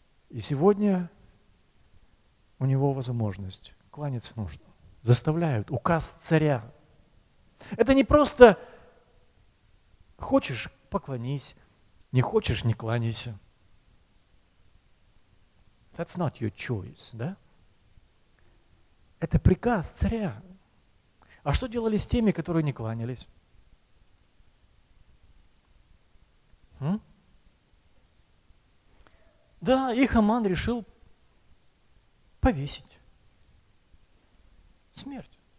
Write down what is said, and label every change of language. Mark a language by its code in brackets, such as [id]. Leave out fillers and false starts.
[ru] И сегодня у него возможность. Кланяться нужно. Заставляют. Указ царя. Это не просто хочешь – поклонись, не хочешь – не кланяйся. [en] That's not your choice, да? [ru] Это приказ царя. А что делали с теми, которые не кланялись? Да, их Аман решил повесить. Смерть.